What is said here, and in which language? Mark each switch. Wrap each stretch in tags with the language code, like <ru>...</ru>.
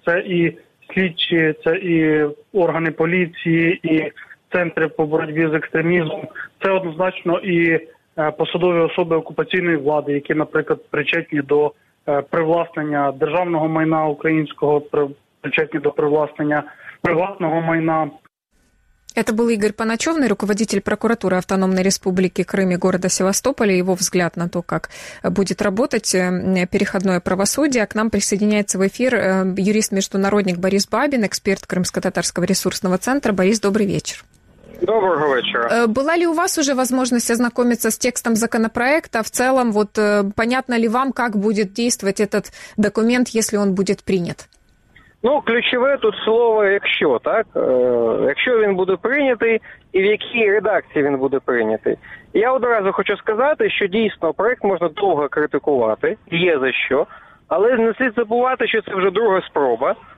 <uk>Це і слідчі, це і органи поліції, і центри по боротьбі з екстремізмом. Це однозначно і посадові особи окупаційної влади, які, наприклад, причетні до привласнення державного майна українського, причетні до привласнення приватного майна.</uk> <ru>Это был Игорь Паначевный, руководитель прокуратуры Автономной Республики Крым и города Севастополя. Его взгляд на то, как будет работать переходное правосудие. А к нам присоединяется в эфир юрист-международник Борис Бабин, эксперт Крымско-Татарского ресурсного центра. Борис, добрый вечер.</ru> <uk>Доброго вечора.</uk> <ru>Была ли у вас уже возможность ознакомиться с текстом законопроекта? В целом, вот понятно ли вам, как будет действовать этот документ, если он будет принят?</ru> <uk>Ну, ключове тут слово «якщо», так? Якщо він буде прийнятий і в якій редакції він буде прийнятий. Я одразу хочу сказати, що дійсно проект можна довго критикувати, є за що, але не слід забувати, що це вже друга спроба.</uk>